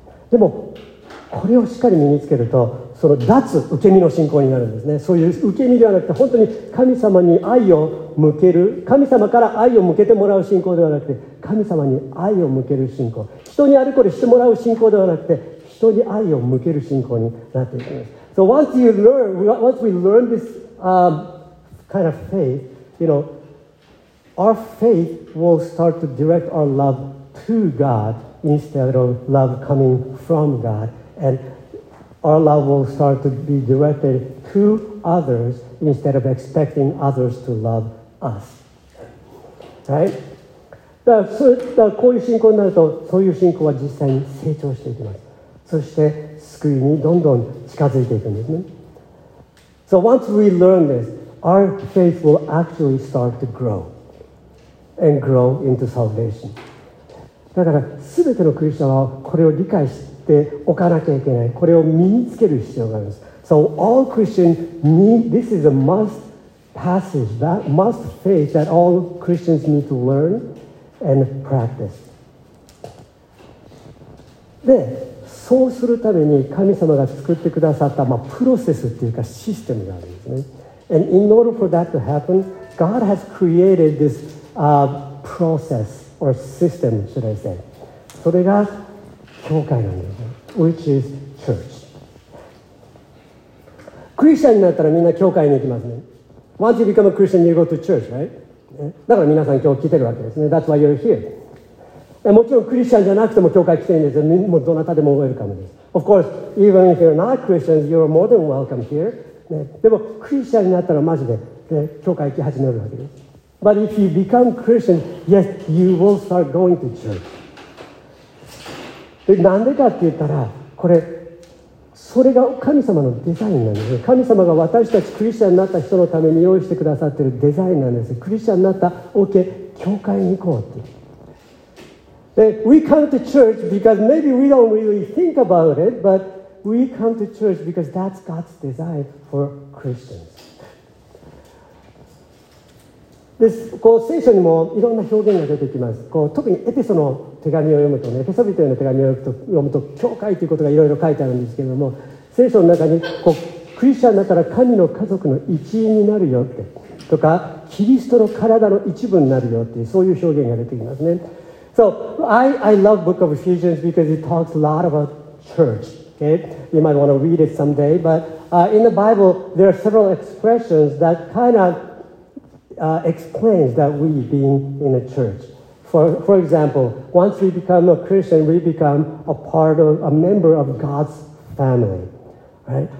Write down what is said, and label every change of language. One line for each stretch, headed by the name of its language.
Japanese: でもこれをしっかり身につけると、その脱受け身の信仰になるんですね。そういう受け身ではなくて、本当に神様に愛を向ける、神様から愛を向けてもらう信仰ではなくて、神様に愛を向ける信仰、人にあれこれしてもらう信仰ではなくて、人に愛を向ける信仰になっていきます。
English: So once you learn, once we learn this、kind of faith, you know, our faith will start to direct our love to God instead of love coming from God, andOur love will start to be directed to others instead of expecting others to love us. Right?
Japanese: だから、そう、だからこういう信仰になると、そういう信仰は実際に成長していきます。そして救いにどんどん近づいていくんですね。
English: So once we learn this, our faith will actually start to grow and grow into salvation.
Japanese: だから、すべてのクリスチャンはこれを理解して、置かなきゃいけない。これを身につける必要があります。
English: So all Christians need, this is a must passage, that must faith that all Christians need to learn and practice.
Japanese: で、そうするために神様が作ってくださった、まあ、プロセスっていうかシステムがあるんですね。
English: And in order for that to happen, God has created this, process or system, should I say.
Japanese: それが教会なんですね。
English: Which is church.
Japanese: クリスチャンになったらみんな教会に行きますね。
English: Once you become a Christian, you go to church, right?、ね、
Japanese: だから皆さん今日来てるわけですね。
English: That's why you're here.
Japanese: もちろんクリスチャンじゃなくても教会来てるんですよ。もうどなたでもウェルカムです。
English: Of course, even if you're not Christians, you're more than welcome here.、ね、
Japanese: でもクリスチャンになったらマジで、ね、教会行き始めるわけです。
English: But if you become Christian, yes, you will start going to church.
Japanese: で、なんでかって言ったら、これ、それが神様のデザインなんです。神様が私たちクリスチャンになった人のために用意してくださっているデザインなんです。クリスチャンになった、OK、教会に行こうって。
English: で、We come to church because maybe we don't really think about it, but we come to church because that's God's design for Christians.
Japanese: で、こう、聖書にもいろんな表現が出てきます。こう、特にエペソの手紙を読むとね、エペソ人への手紙を読むと教会ということがいろいろ書いてあるんですけれども、聖書の中にこうクリスチャンだから神の家族の一員になるよってとか、キリストの体の一部になるよっていう、そういう表現が出てきますね。
English: So I love book of Ephesians because it talks a lot about church、okay? You might want to read it someday but、in the Bible there are several expressions that kind of、explains that we being in a churchFor example, once we become a Christian, we become a part of, a member of God's family, right?